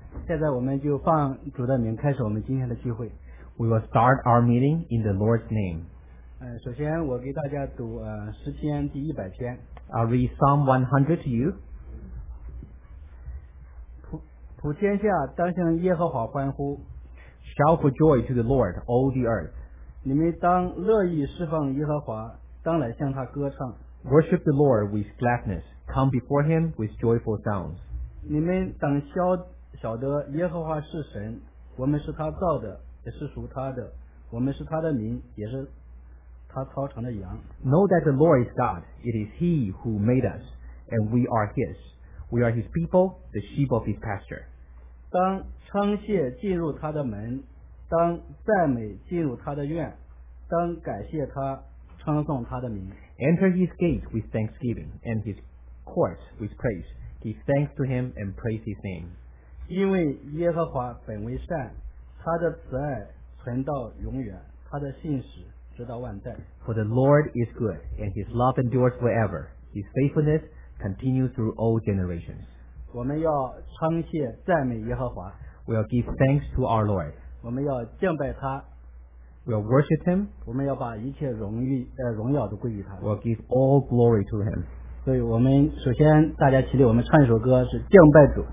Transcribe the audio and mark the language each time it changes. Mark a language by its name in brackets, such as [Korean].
[Chinese] 现在我们就放主的名开始我们今天的聚会。 [English] We will start our meeting in the Lord's name. [Chinese] 首先我给大家读诗篇第一百篇。 [English] I'll read Psalm 100 to you. [Chinese] 普天下当向耶和华欢呼。 [English] Shout for joy to the Lord, all the earth. [Chinese] 你们当乐意侍奉耶和华，当来向他歌唱。 [English] Worship the Lord with gladness. Come before him with joyful sounds. [Chinese] 你们当晓得耶和华是神，我们是他造的，也是属他的，我们是他的民，也是他操场的羊。 [English] Know that the Lord is God. It is he who made us, and we are his. We are his people, the sheep of his pasture. [Chinese] 当称谢进入他的门，当赞美进入他的院，当感谢他，称颂他的名。 [English] Enter his gate with thanksgiving, and his courts with praise. Give thanks to him and praise his name. [Chinese] 因为耶和华本为善，他的慈爱存到永远，他的信实直到万代。 [English] For the Lord is good, and his love endures forever. His faithfulness continues through all generations. [Chinese] 我们要称谢赞美耶和华。 [English] We will give thanks to our Lord. [Chinese] 我们要敬拜他。 [English] We will worship him. [Chinese] 我们要把一切荣耀都归于他。 [English] We will give all glory to him. [Chinese] 所以我们首先大家起立，我们唱一首歌，是敬拜主。